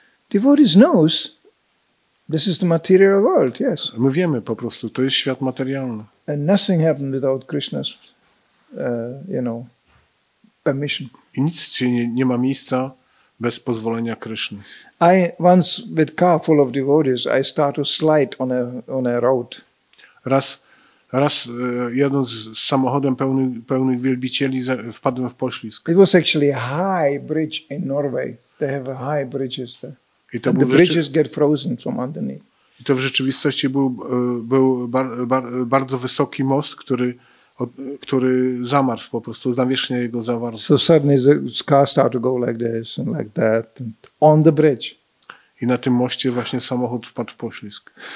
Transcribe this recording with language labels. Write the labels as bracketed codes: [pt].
[en] Devotee knows this is the material world, yes. [pl] My wiemy po prostu, to jest świat materialny. [en] And nothing happens without Krishna's, you know, permission. [pl] I nic się nie ma miejsca bez pozwolenia Krishny. [en] I once with car full of devotees, I start to slide on a road. [pl] Raz jadąc z samochodem pełnych wielbicieli, wpadłem w poślizg. [en] It was actually a high bridge in Norway. They have high bridges there. [pl] I to [en] and the bridges get frozen from underneath. [pl] I to w rzeczywistości był bardzo wysoki most, który zamarzł po prostu, nawierzchnia jego zawarł. [en] So suddenly the car started to go like this and like that and on the bridge. [pl] I na tym moście właśnie samochód wpadł w poślizg.